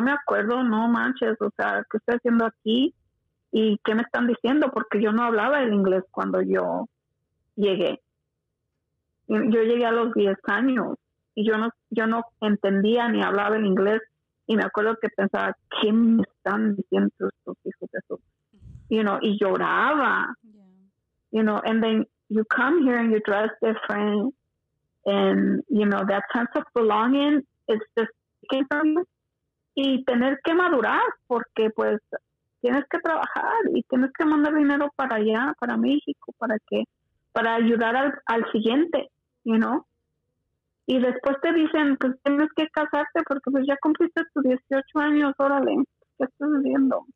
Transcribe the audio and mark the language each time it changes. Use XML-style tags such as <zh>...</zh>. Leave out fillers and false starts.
<es>Yo me acuerdo, no manches, o sea, ¿qué estoy haciendo aquí? ¿Y qué me están diciendo? Porque yo no hablaba el inglés cuando yo llegué. Yo llegué a los 10 años y yo no entendía ni hablaba el inglés. Y me acuerdo que pensaba, ¿qué me están diciendo estos hijos de su?</es> <en>You know,</en> <es>y lloraba.</es> <en>Yeah. You know, and then you come here and you dress different. And, you know, that sense of belonging is just taken from you.</en> <es>Y tener que madurar, porque, pues, tienes que trabajar y tienes que mandar dinero para allá, para México, ¿para qué? Para ayudar al siguiente,</es> <en>you know.</en> <es>Y después te dicen, pues, tienes que casarte porque, pues, ya cumpliste tus 18 años, órale. ¿qué estás viendo?</es>